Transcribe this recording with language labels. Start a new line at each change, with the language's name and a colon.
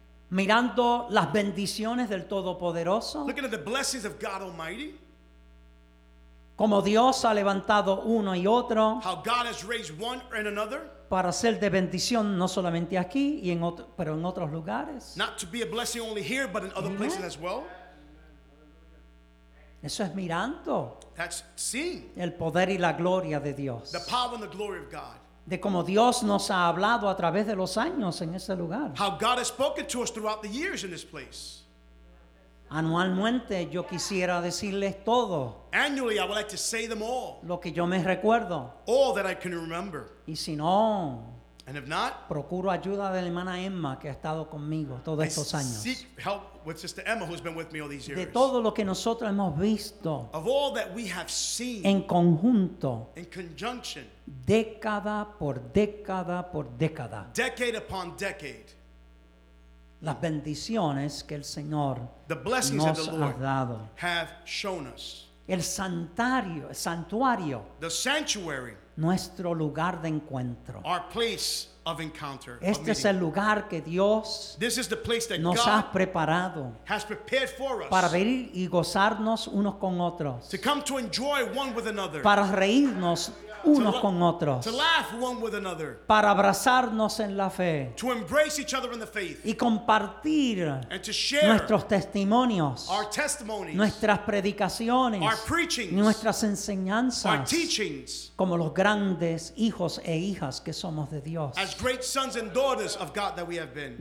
Spanish: Mirando las bendiciones del Todopoderoso.
English: Looking at the blessings of God Almighty.
Spanish: Como Dios ha levantado uno y otro.
English: How God has raised one and another.
Spanish: Para ser de bendición no solamente aquí y en otro, pero en otros lugares.
English: Not to be a blessing only here but in other places as well.
Spanish: Eso es mirando.
English: That's seeing.
Spanish: El poder y la gloria de Dios.
English: The power and the glory of God.
Spanish: De cómo Dios nos ha hablado a través de los años en ese lugar.
English: How God has spoken to us throughout the years in this place.
Spanish: Anualmente yo quisiera decirles todo.
English: Annually I would like to say them all.
Spanish: Lo que yo me recuerdo.
English: All that I can remember.
Spanish: Y si no.
English: And if not.
Spanish: Procuro ayuda de la hermana Emma que ha estado conmigo todos estos años.
English: I seek help with Sister Emma who's been with me all these years.
Spanish: De todo lo que nosotros hemos visto.
English: Of all that we have seen.
Spanish: En conjunto.
English: In conjunction.
Spanish: Década por década por década.
English: Decade upon decade.
Spanish: Las bendiciones que el Señor nos ha dado.
English: Have shown us.
Spanish: El santuario, el santuario.
English: The sanctuary.
Spanish: Nuestro lugar de encuentro.
English: Our place of encounter.
Spanish: Este
English: of
Spanish: es el lugar que Dios nos ha preparado para venir y gozarnos unos con otros.
English: To come to enjoy one with another.
Spanish: Para reírnos unos con otros,
English: to laugh one with another,
Spanish: para abrazarnos en la fe,
English: to embrace each other in the faith,
Spanish: y compartir
English: and to share
Spanish: nuestros testimonios,
English: our testimonies,
Spanish: nuestras predicaciones,
English: our preachings,
Spanish: nuestras enseñanzas,
English: our teachings,
Spanish: como los grandes hijos e hijas que somos de Dios.
English: As great sons and daughters of God that we have been.